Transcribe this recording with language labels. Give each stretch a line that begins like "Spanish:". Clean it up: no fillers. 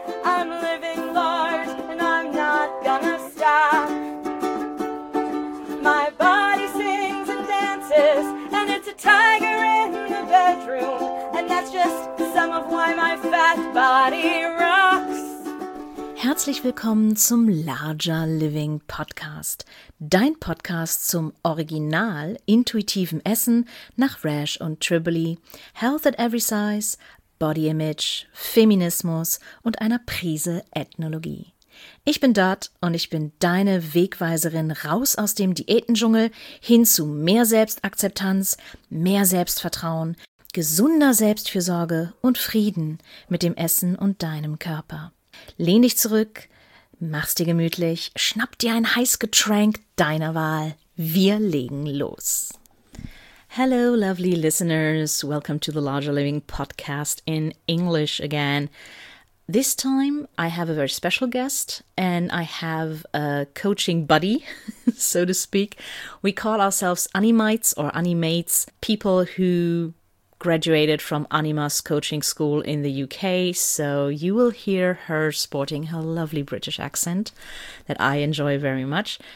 English: I'm living large and I'm not gonna stop. My body sings and dances and it's a tiger in the bedroom. And that's just some of why my fat body rocks.
German: Herzlich willkommen zum Larger Living Podcast, dein Podcast zum original intuitiven Essen nach Rash und Triboli, Health at Every Size, Body Image, Feminismus und einer Prise Ethnologie. Ich bin Dot und ich bin deine Wegweiserin raus aus dem Diätendschungel hin zu mehr Selbstakzeptanz, mehr Selbstvertrauen, gesunder Selbstfürsorge und Frieden mit dem Essen und deinem Körper. Lehn dich zurück, mach's dir gemütlich, schnapp dir ein Heißgetränk deiner Wahl. Wir legen los.
English: Hello, lovely listeners. Welcome to the Larger Living Podcast in English again. This time I have a very special guest and I have a coaching buddy, so to speak. We call ourselves Animites or Animates, people who graduated from Anima's coaching school in the UK, so you will hear her sporting her lovely British accent that I enjoy very much.